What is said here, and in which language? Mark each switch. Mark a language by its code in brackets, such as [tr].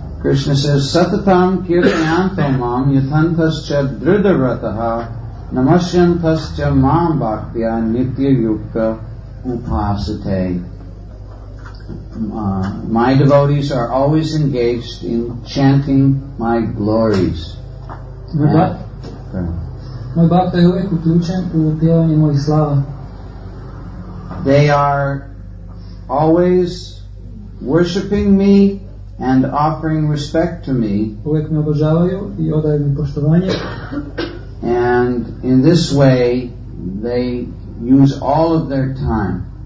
[en] Krishna says, [sa] Satatam kirtyantamam yathantascha dridharataha namashyantascha mam bhaktya nitya yukta upasate. [en] My devotees are always engaged in chanting my glories. [hr] Moj bhakta je uvijek uključen u pjevanje mojih slava. [en] They are always worshipping me and offering respect to me. [hr] Uvijek me obožavaju i odaju mi poštovanje. [en] And in this way they use all of their time.